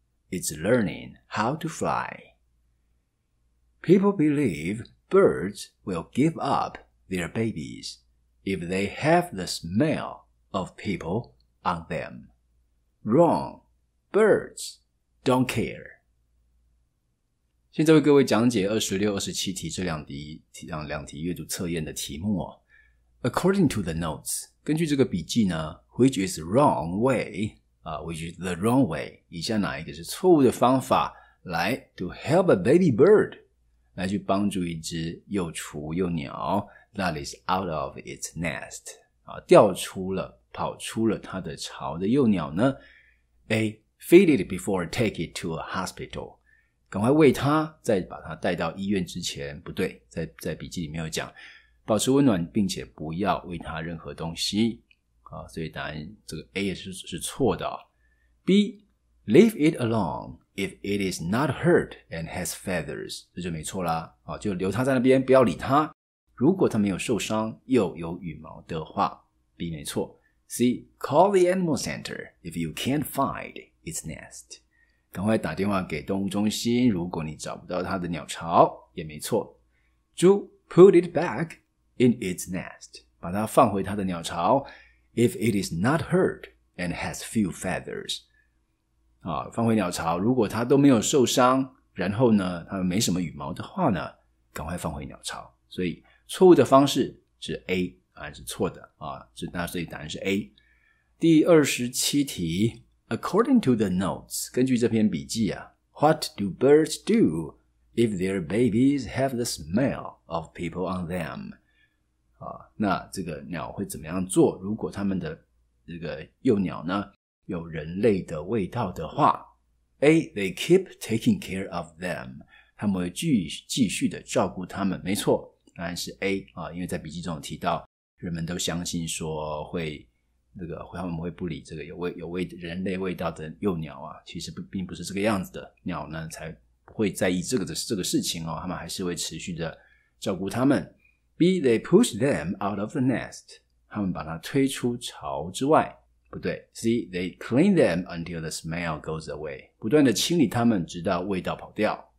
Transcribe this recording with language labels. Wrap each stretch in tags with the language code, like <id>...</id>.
<en>It's learning how to fly. People believe birds will give up their babies if they have the smell of people on them. Wrong. Birds don't care.</en> <zh>先在为各位讲解26、27题这两题阅读测验的题目哦。</zh> <en>According to the notes,</en> <zh>根据这个笔记呢</zh> <en>,which is wrong way,、which is the wrong way,</en> <zh>以下哪一个是错误的方法来</zh> <en>to help a baby bird,</en> <zh>来去帮助一只幼雏幼鸟</zh> <en>that is out of its nest,、</en> <zh>掉出了跑出了它的巢的幼鸟呢</zh> <en>?A, feed it before take it to a hospital.</en> <zh>赶快喂他，再把他带到医院之前，不对，在笔记里面有讲，保持温暖，并且不要喂他任何东西。好，所以答案这个 A 是错的、哦。</zh> <en>B, leave it alone if it is not hurt and has feathers,</en> <zh>这就没错啦。好，就留他在那边，不要理他。如果他没有受伤，又有羽毛的话 ，B 没错。</zh> <en>C, call the animal center if you can't find its nest.</en> <zh>赶快打电话给动物中心，如果你找不到它的鸟巢，也没错。</zh> <en>猪 put it back in its nest,</en> <zh>把它放回它的鸟巢。</zh> <en>If it is not hurt and has few feathers,、</en> <zh>放回鸟巢，如果它都没有受伤，然后呢，它没什么羽毛的话呢，赶快放回鸟巢。所以错误的方式是 A, 还是错的、那所以答案是 A。第27题</zh> <en>According to the notes,</en> <zh>根据这篇笔记啊</zh> <en>,what do birds do if their babies have the smell of people on them?</en> <zh>那这个鸟会怎么样做如果他们的这个幼鸟呢有人类的味道的话</zh> <en>?A, they keep taking care of them.</en> <zh>他们会继续的照顾他们没错当然是 A, 因为在笔记中有提到人们都相信说会这个他们会不理这个有味人类味道的幼鸟啊其实并不是这个样子的鸟呢才不会在意这个事情哦他们还是会持续的照顾他们。</zh> <en>B, they push them out of the nest.</en> <zh>他们把它推出巢之外。不对。</zh> <en>C, they clean them until the smell goes away.</en> <zh>不断的清理他们直到味道跑掉。</zh>